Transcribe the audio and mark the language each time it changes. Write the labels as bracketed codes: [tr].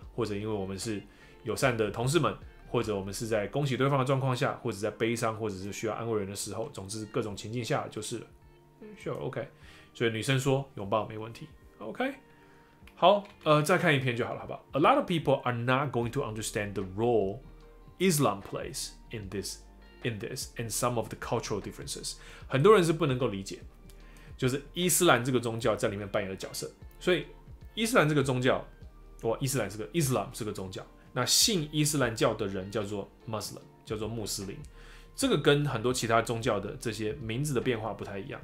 [zh] 或者因为我们是友善的同事们，或者我们是在恭喜对方的状况下，或者在悲伤，或者是需要安慰人的时候，总之各种情境下就是了。 [en] Sure, OK。 [zh] 所以女生说拥抱没问题。 [en] OK。 [zh] 好，再看一篇就好了，好不好 [en] ？A lot of people are not going to understand the role Islam plays in this, and some of the cultural differences。 [zh] 很多人是不能够理解，就是伊斯兰这个宗教在里面扮演的角色。所以伊斯兰这个宗教。哇，伊斯兰是个宗教。那信伊斯兰教的人叫做 Muslim， 叫做穆斯林。这个跟很多其他宗教的这些名字的变化不太一样。